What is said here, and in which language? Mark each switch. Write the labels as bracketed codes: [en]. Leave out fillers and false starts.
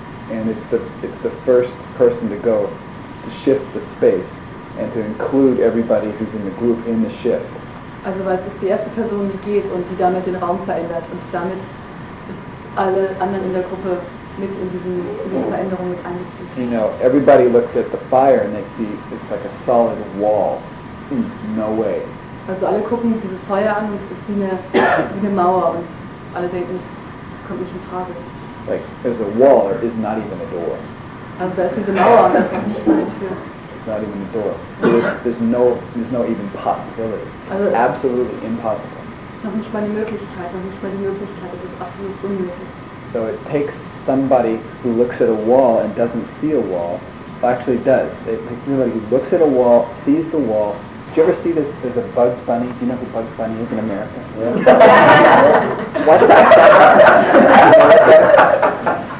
[en] And it's the first person to go to shift the space and to include everybody who's in the group in the shift. [de] Also weil es ist die erste Person, die geht und die damit den Raum verändert und damit alle anderen in der Gruppe mit in diese Veränderung mit einbezieht. [en] You know, everybody looks at the fire and they see it's like a solid wall. No way. [de] Also alle gucken dieses Feuer an und es ist wie eine Mauer und alle denken, kommt nicht in Frage. [en] Like, there's a wall, there is not even a door. [de] Also da ist diese Mauer und da ist nicht mal eine Tür. [en] It's not even a door. There's no even possibility. [de] Also [en] absolutely impossible. [de] Noch nicht mal die Möglichkeit, noch nicht mal die Möglichkeit, das ist absolut unmöglich. [en] So it takes somebody who looks at a wall and doesn't see a wall, well, actually does. It takes somebody who looks at a wall, sees the wall. Did you ever see this? There's a Bugs Bunny. Do you know who Bugs Bunny is in America? Yeah. What's that?